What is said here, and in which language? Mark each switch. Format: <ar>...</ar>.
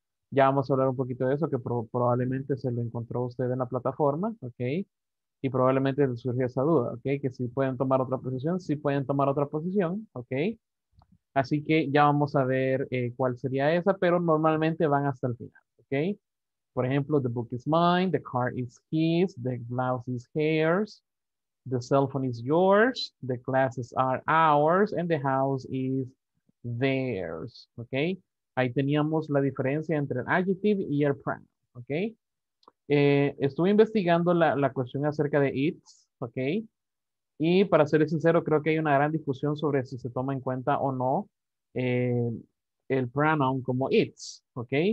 <es>Ya vamos a hablar un poquito de eso, que probablemente se lo encontró usted en la plataforma, ¿ok? Y probablemente le surge esa duda, ¿ok? Que si pueden tomar otra posición, si pueden tomar otra posición, ¿ok? Así que ya vamos a ver cuál sería esa, pero normalmente van hasta el final, ¿ok? Por ejemplo,</es> <en>the book is mine, the car is his, the blouse is hers. The cell phone is yours, the classes are ours, and the house is theirs, ¿ok?</en> <es>Ahí teníamos la diferencia entre el adjective y el pronoun, ¿ok? Estuve investigando la cuestión acerca de its, ¿ok? Y para ser sincero, creo que hay una gran discusión sobre si se toma en cuenta o no el pronoun como its, ¿ok?</es>